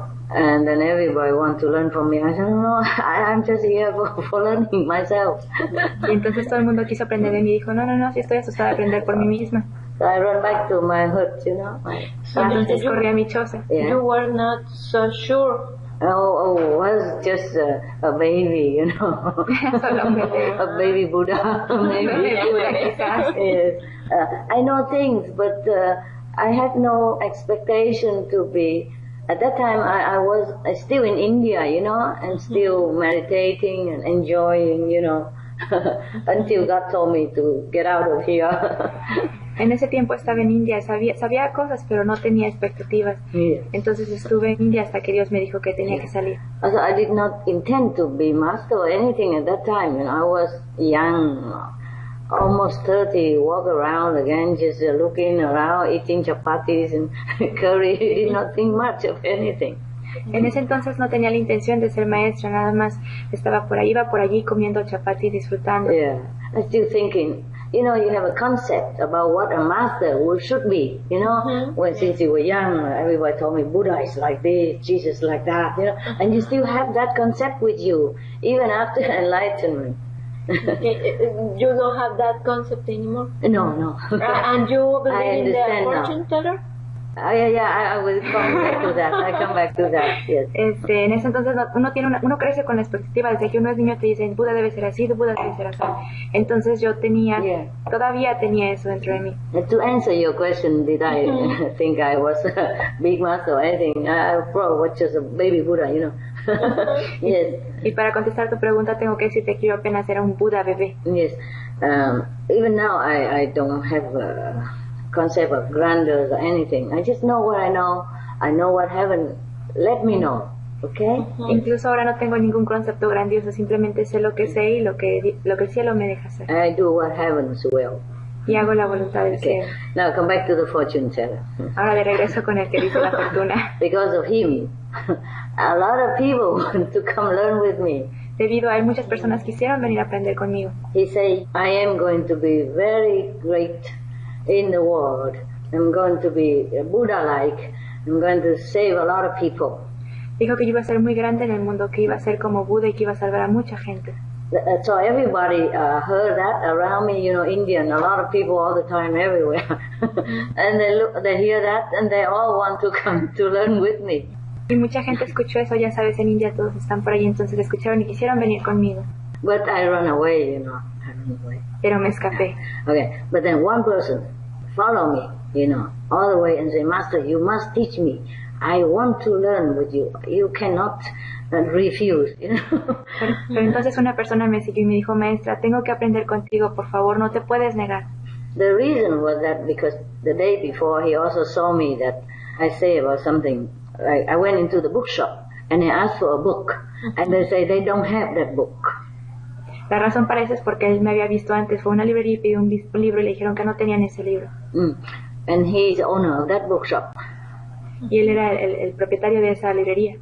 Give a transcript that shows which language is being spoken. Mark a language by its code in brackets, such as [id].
[en] And then everybody wants to learn from me. I said, no, I'm just here for learning myself. [es] Y entonces todo el mundo quiso aprender de mí y dijo, no, sí estoy asustada a aprender por mí misma. [en] So I run back to my hood, you know. [es] Entonces corrí a mi choza. [en] Yeah. You were not so sure. Oh, I was just a baby, you know. A baby Buddha, maybe. I know things, but I had no expectation to be. At that time, I was still in India, you know, and still meditating and enjoying, you know, until God told me to get out of here. [es] En ese tiempo estaba en India, sabía cosas, pero no tenía expectativas. [en] Yes. [es] Entonces estuve en India hasta que Dios me dijo que tenía que salir. [en] So I did not intend to be master or anything at that time, you know, I was young. Almost 30, walk around again, just looking around, eating chapatis and curry, not think much of anything. [es] En ese entonces no tenía la intención de ser maestra, nada más estaba por ahí, iba por allí comiendo chapatis, disfrutando. [en] Yeah, I'm still thinking, you know, you have a concept about what a master should be, you know? Mm-hmm. When since you were young, everybody told me Buddha is like this, Jesus like that, you know? And you still have that concept with you, even after enlightenment. Okay, you don't have that concept anymore? No. And you believe in the fortune teller? I will come back to that, yes. [es] En ese entonces uno crece con la expectativa, desde que uno es niño te dicen, Buda debe ser así, Buda debe ser así. Entonces yo todavía tenía eso dentro de mí. [en] To answer your question, did I think I was a big master or anything? I probably was just a baby Buddha, you know. Yes. [es] Y para contestar tu pregunta tengo que decirte que yo apenas era un Buda bebé. [en] Yes. Even now I don't have a concept of grandeur or anything. I just know what I know. I know what heaven let me know. Okay? [es] Uh-huh. Incluso ahora no tengo ningún concepto grandioso. Simplemente sé lo que sé y lo que el cielo me deja hacer. [en] I do what heaven's will. [es] Y hago la voluntad del cielo. [en] Now come back to the fortune teller. [es] Ahora de regreso con el que dice la fortuna. [en] Because of him, a lot of people want to come learn with me. [es] Debido a él, muchas personas quisieron venir a aprender conmigo. [en] He said, I am going to be very great in the world. I'm going to be Buddha-like. I'm going to save a lot of people. [es] Dijo que iba a ser muy grande en el mundo, que iba a ser como Buda y que iba a salvar a mucha gente. [en] So everybody heard that around me, you know, Indian, a lot of people all the time, everywhere. And they hear that and they all want to come to learn with me. [es] Y mucha gente escuchó eso, ya sabes, en India todos están por ahí, entonces escucharon y quisieron venir conmigo. [en] But I run away, you know. Anyway. [es] Pero me escapé. [en] Okay, but then one person follow me, you know, all the way and say, Master, you must teach me. I want to learn with you. You cannot refuse, you know. [es] Pero entonces una persona me siguió y me dijo, Maestra, tengo que aprender contigo, por favor, no te puedes negar. [en] The reason was that because the day before he also saw me that I say about something. I went into the bookshop and they asked for a book and they say they don't have that book. [es] La razón para eso es porque él me había visto antes, fue a una librería y pidió un libro y le dijeron que no tenían ese libro. [en] Mm. And he is owner of that bookshop. [es] Y él era el propietario de esa librería.